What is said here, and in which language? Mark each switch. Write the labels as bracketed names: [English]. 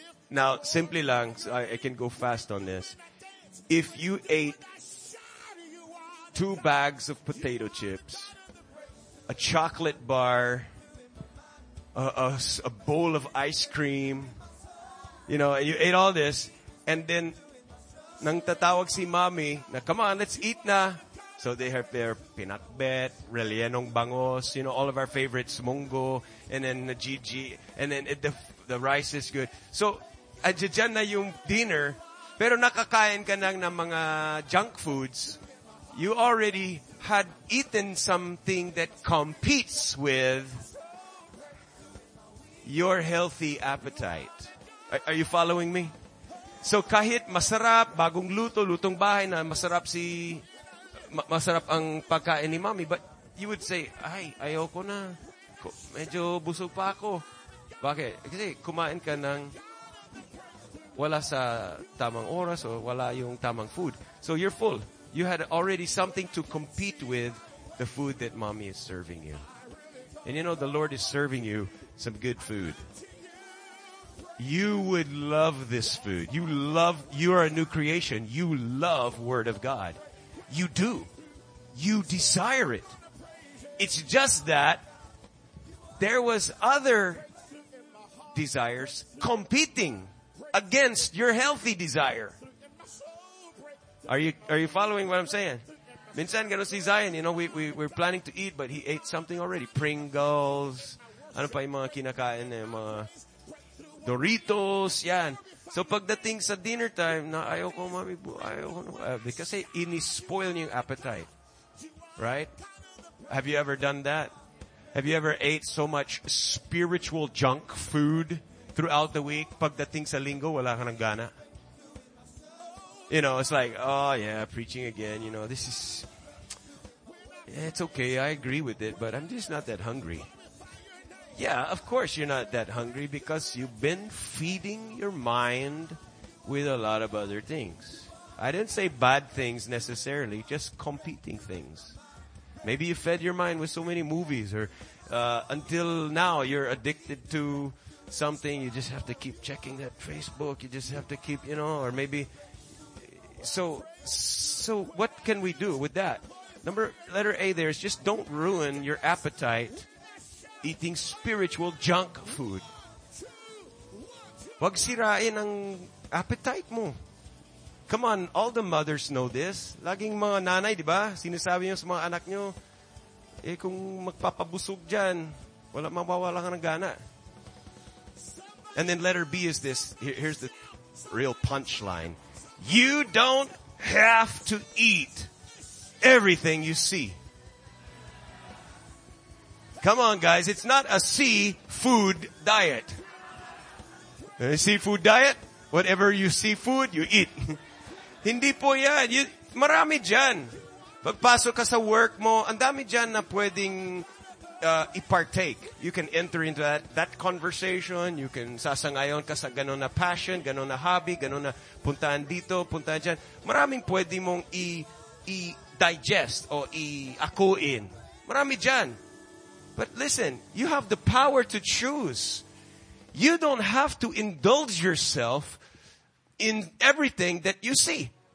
[English] Now, simply lang, I can go fast on this. If you ate 2 bags of potato chips, a chocolate bar, a bowl of ice cream, you know, and you ate all this, and then [Filipino] nang tatawag si mommy na, [English] come on, let's eat na. So they have their pinakbet, relienong bangos, you know, all of our favorites, munggo, and then the gigi, and then the rice is good. [Filipino] So, adyadyan na yung dinner, pero nakakain ka ng mga junk foods, [English] you already had eaten something that competes with your healthy appetite. Are you following me? [Filipino] So kahit masarap, bagong luto, lutong bahay na masarap si, masarap ang pagkain ni mommy, [English] but you would say, [Filipino] ay, ayoko na. Medyo busog pa ako. Bakit? Kasi kumain ka ng wala sa tamang oras o wala yung tamang food. [English] So you're full. You had already something to compete with the food that mommy is serving you. And you know, the Lord is serving you some good food. You would love this food. You love, you are a new creation. You love Word of God. You do. You desire it. It's just that there was other desires competing against your healthy desire. Are you following what I'm saying? [Filipino] Minsan ganun si Zion, [English] you know, we're planning to eat, but he ate something already. [Filipino] Pringles, ano pa yung mga kinakain, yung mga Doritos, yan. So pagdating sa dinner time, na ayoko mami, ayoko no. [English] Because [Filipino] ini-spoil yung [English] appetite. Right? Have you ever done that? Have you ever ate so much spiritual junk food throughout the week? [Filipino] Pagdating sa Linggo, wala ka ng gana. [English] You know, it's like, oh yeah, preaching again. You know, this is, yeah, it's okay. I agree with it, but I'm just not that hungry. Yeah, of course you're not that hungry because you've been feeding your mind with a lot of other things. I didn't say bad things necessarily, just competing things. Maybe you fed your mind with so many movies or until now you're addicted to something. You just have to keep checking that Facebook. You just have to keep, you know, or maybe. So what can we do with that? Letter A there is just don't ruin your appetite eating spiritual junk food. [Filipino] Huwag sirain ang appetite mo. [English] Come on, all the mothers know this. [Filipino] Laging mga nanay, di ba? Sinasabi niyo sa mga anak niyo, eh kung magpapabusog dyan, wala, mawawala ka ng gana. [English] And then letter B is this. Here's the real punchline. You don't have to eat everything you see. Come on, guys. It's not a seafood diet. A seafood diet? Whatever you see food, you eat. [Filipino] Hindi po yan. Marami dyan. Pagpasok ka sa work mo, ang dami dyan na pwedeng ipartake. [English] You can enter into that conversation. You can [Filipino] sasangayon ka sa ganun na passion, ganun na hobby, ganun na puntaan dito, puntaan dyan. Maraming pwede mong i-digest o i-akuin. Marami dyan. [English] But listen, you have the power to choose. You don't have to indulge yourself in everything that you see.